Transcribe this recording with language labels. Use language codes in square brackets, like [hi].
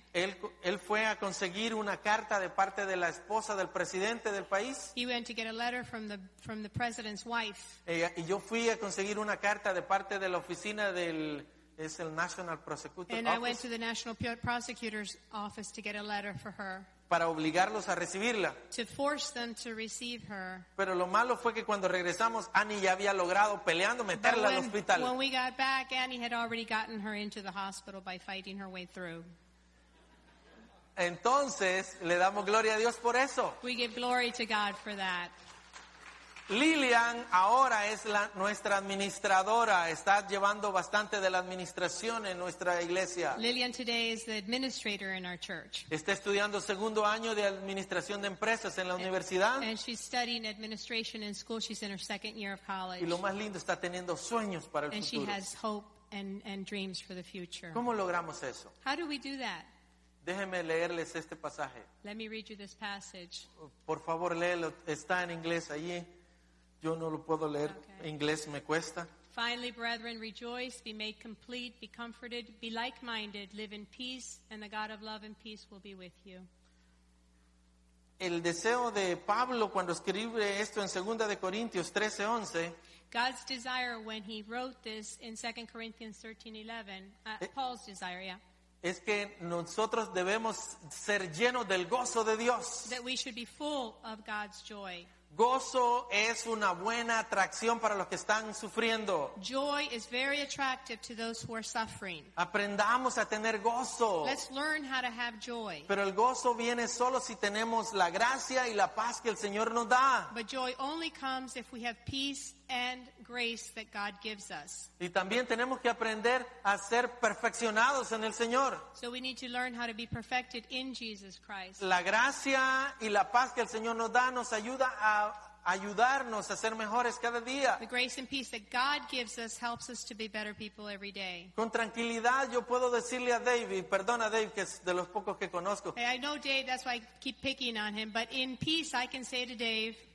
[es] Él fue a conseguir una carta de parte de la esposa del presidente del país. [en] He went to get a letter from the president's wife. [es] Y yo fui a conseguir una carta de parte de la oficina del Es el National Prosecutor's [en] and Office. I went to the National Prosecutor's Office to get a letter for her. [es] Para obligarlos a recibirla. [en] To force them to receive her. [es] Pero lo malo fue que cuando regresamos, Annie ya había logrado peleando meterla [en] when, [es] al hospital. [en] When we got back, Annie had already gotten her into the hospital by fighting her way through. [es] Entonces, le damos gloria a Dios por eso. [en] We give glory to God for that. [es] Lilian ahora es la, nuestra administradora, está llevando bastante de la administración en nuestra iglesia. [en] Lilian today is the administrator in our church. [es] Está estudiando segundo año de administración de empresas en la universidad. [en] And she's studying administration in school. She's in her second year of college. [es] Y lo más lindo, está teniendo sueños para el [en] and [es] futuro. [en] And she has hope and dreams for the future. [es] ¿Cómo logramos eso? [en] How do we do that? [es] Déjenme leerles este pasaje. [en] Let me read you this passage. [es] Por favor, léelo. Está en inglés allí. Yo no lo puedo leer. Okay. Inglés me cuesta. [en] Finally, brethren, rejoice, be made complete, be comforted, be like-minded, live in peace, and the God of love and peace will be with you. [es] El deseo de Pablo cuando escribe esto en 2 Corintios 13:11. [en] God's desire when he wrote this in 2 Corinthians 13:11. Paul's desire, yeah. [es] Es que nosotros debemos ser llenos del gozo de Dios. [en] That we should be full of God's joy. [es] Gozo es una buena atracción para los que están sufriendo. [en] Joy is very attractive to those who are suffering. [es] Aprendamos a tener gozo. [en] Let's learn how to have joy. [es] Pero el gozo viene solo si tenemos la gracia y la paz que el Señor nos da. [en] But joy only comes if we have peace and grace that God gives us. [es] Y también tenemos que aprender a ser perfeccionados en el Señor. [en] So we need to learn how to be perfected in Jesus Christ. [es] La gracia y la paz que el Señor nos da nos ayuda a ayudarnos a ser mejores cada día. [en] The grace and peace that God gives us helps us to be better people every day. [es] Con tranquilidad yo puedo decirle a David, perdona Dave, que es de los pocos que conozco. [en] Hey, I know Dave, that's why I keep picking on him, but in peace I can say to Dave,